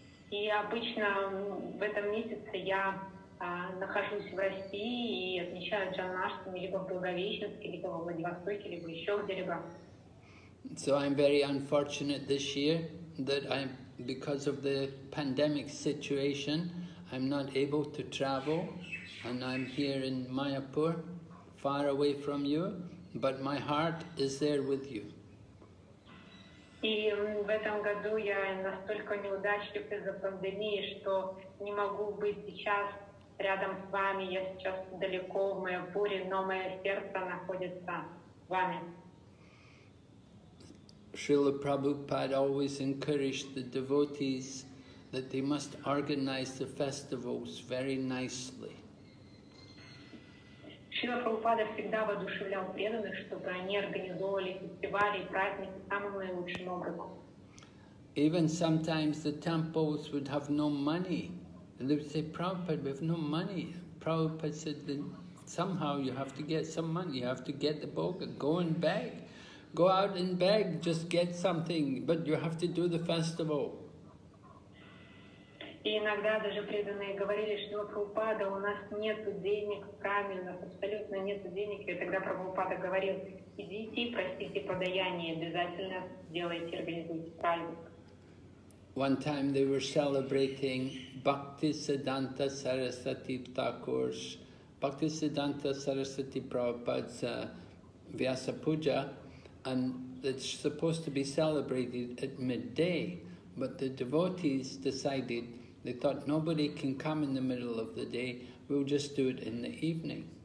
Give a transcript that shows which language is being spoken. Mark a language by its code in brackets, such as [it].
[ru] И обычно в этом месяце я нахожусь в России и отмечаю Джанмаштами либо в Благовещенске, либо во Владивостоке, либо еще где-либо. [en] So I'm very unfortunate this year that I'm, because of the pandemic situation, I'm not able to travel, and I'm here in Mayapur, far away from you, but my heart is there with you. [ru] И в этом году я настолько неудачлив из-за пандемии, что не могу быть сейчас рядом с вами, я сейчас далеко в Майапуре, но мое сердце находится с вами. [en] Srila Prabhupada always encouraged the devotees that they must organize the festivals very nicely. [ru] Srila Prabhupada всегда воодушевлял преданных, чтобы они организовывали фестивали и праздники самым наилучшим образом. [en] Even sometimes the temples would have no money. And they would say, Prabhupada, we have no money. Prabhupada said, then somehow you have to get some money. You have to get the boga, go and beg. go out and beg, just get something, but you have to do the festival. [ru] И иногда даже преданные говорили, что Прабхупада, у нас нету денег, правильно, абсолютно нету денег. И тогда Прабхупада говорил, идите, простите подаяние, обязательно сделайте, организуйте праздник. [en] One time they were celebrating Bhakti Siddhanta Sarasvati Thakur's, Bhakti Siddhanta Sarasvati Prabhupada's Vyasa Puja, and it's supposed to be celebrated at midday, but the devotees decided, they thought nobody can come in the middle of the day, we'll just do it in the evening.